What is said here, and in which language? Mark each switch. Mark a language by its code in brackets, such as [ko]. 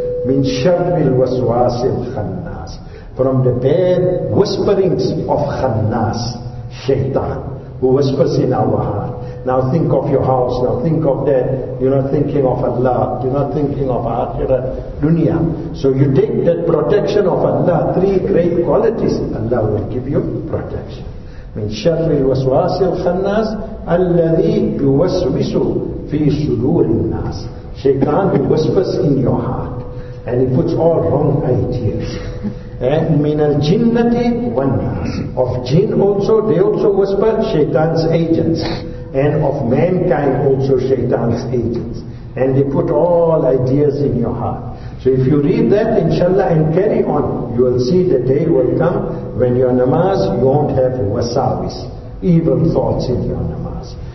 [ar] Min sharril waswasil khannas. [en] From the bad whisperings of khannas, shaitan, who whispers in our heart. Now think of your house, now think of that. You're not thinking of Allah, you're not thinking of akhirah, dunya. So you take that protection of Allah, 3 great qualities, Allah will give you protection. [ar] من شر الوسواس الخناس الذي يوسوس في صدور الناس. [en] Shaitan whispers in your heart and he puts all wrong ideas. [ar] And من الجنة والناس. [en] Of jinn also, they also whisper, Shaitan's agents. And of mankind also, Shaitan's agents. And they put all ideas in your heart. So if you read that, inshallah, and carry on, you will see the day will come when your namaz, you won't have wasawis, evil thoughts in your namaz.